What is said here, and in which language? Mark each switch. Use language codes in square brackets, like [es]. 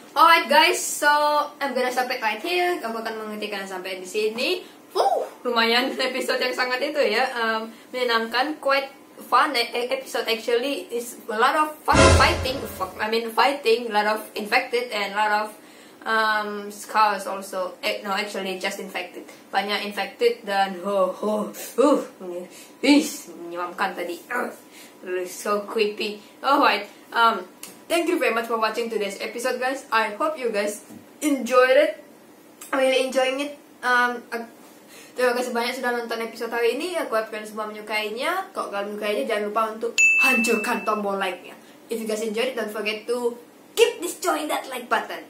[en] Alright guys, so I'm gonna stop it right here. [id] Aku akan menghentikan sampai di sini. Lumayan episode yang sangat itu ya, menyenangkan, [en] quite fun episode actually. Is a lot of fun fighting. Fighting, a lot of infected and a lot of scars also. No, actually just infected. [id] Banyak infected dan menyeramkan tadi. [en] So creepy. Alright. Thank you very much for watching today's episode, guys. I hope you guys enjoyed it. Really enjoying it. [id] Terima kasih banyak sudah nonton episode hari ini. Aku harap kalian semua menyukainya. Kalau kalian menyukainya, jangan lupa untuk hancurkan tombol like-nya. [en] If you guys enjoyed it, don't forget to keep destroying that like button.